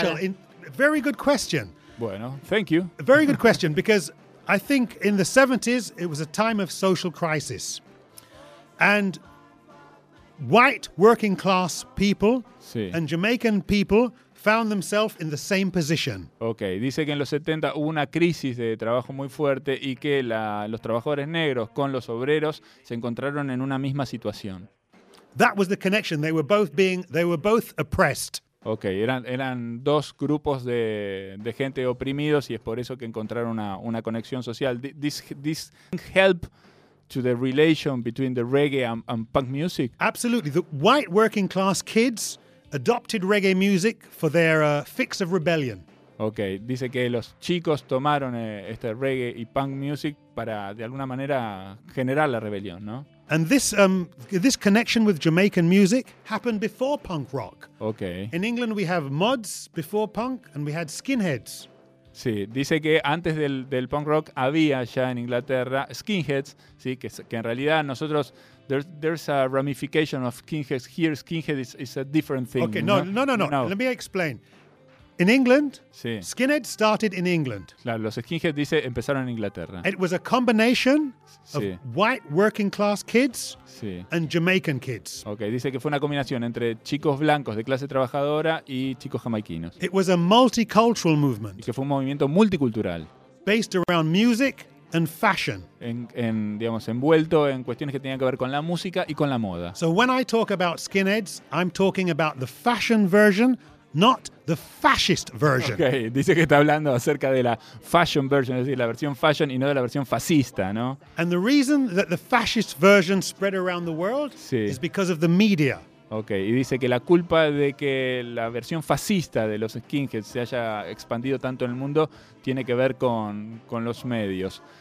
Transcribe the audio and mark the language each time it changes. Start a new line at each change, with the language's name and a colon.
English: Social. Very good question. Bueno, thank you. A very good question, because I think in the 70s it was a time of social crisis, and white working class people and Jamaican people found themselves in the same position.
Spanish: Okay, dice que en los 70 hubo una crisis de trabajo muy fuerte y que los trabajadores negros con los obreros se encontraron en una misma situación.
English: That was the connection. They were both oppressed.
Spanish: Okay, eran dos grupos de gente oprimidos y es por eso que encontraron una conexión social.
English: This help to the relation between the reggae and punk music. Absolutely. The white working class kids adopted reggae music for their fix of rebellion.
Spanish: Okay, dice que los chicos tomaron este reggae y punk music para de alguna manera generar la rebelión, ¿no?
English: And this connection with Jamaican music happened before punk rock. Okay. In England we have mods before punk and we had skinheads.
Spanish: Sí, dice que antes del punk rock había ya en Inglaterra skinheads, sí, que en realidad nosotros
English: there's a ramification of skinheads here. Skinhead is a different thing. Okay, no. Let me explain. In England, skinhead started in England.
Spanish: Claro, los skinheads dice empezaron en Inglaterra.
English: It was a combination of white working class kids and Jamaican kids.
Spanish: Okay, dice que fue una combinación entre chicos blancos de clase trabajadora y chicos jamaiquinos.
English: It was a multicultural movement.
Spanish: Y que fue un movimiento multicultural.
English: Based around music and fashion.
Spanish: En digamos envuelto en cuestiones que tenían que ver con la música y con la moda.
English: So when I talk about skinheads, I'm talking about the fashion version, not the fascist version.
Spanish: Okay, dice que está hablando acerca de la fashion version, es decir, la versión fashion y no de la versión fascista, ¿no?
English: And the reason that the fascist version spread around the world is because of the media.
Spanish: Okay, y dice que la culpa de que la versión fascista de los skinheads se haya expandido tanto en el mundo tiene que ver con los medios.